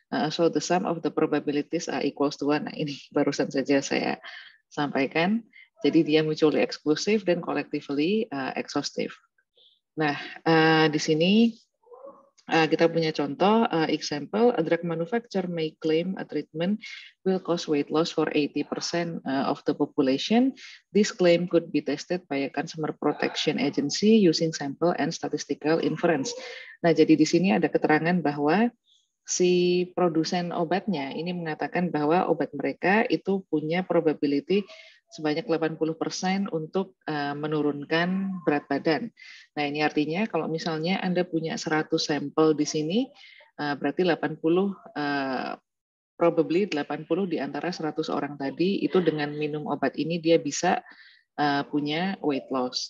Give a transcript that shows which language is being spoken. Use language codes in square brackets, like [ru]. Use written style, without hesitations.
[en] So the sum of the probabilities are equals to 1. [id] Nah, ini barusan saja saya sampaikan. Jadi dia mutually exclusive dan collectively exhaustive. Nah, di sini kita punya contoh, [en] example, a drug manufacturer may claim a treatment will cause weight loss for 80% of the population. This claim could be tested by a consumer protection agency using sample and statistical inference. [id] Nah, jadi di sini ada keterangan bahwa si produsen obatnya ini mengatakan bahwa obat mereka itu punya probability sebanyak 80% untuk menurunkan berat badan. Nah, ini artinya kalau misalnya Anda punya 100 sampel di sini, berarti 80 probably 80 di antara 100 orang tadi itu dengan minum obat ini dia bisa punya weight loss.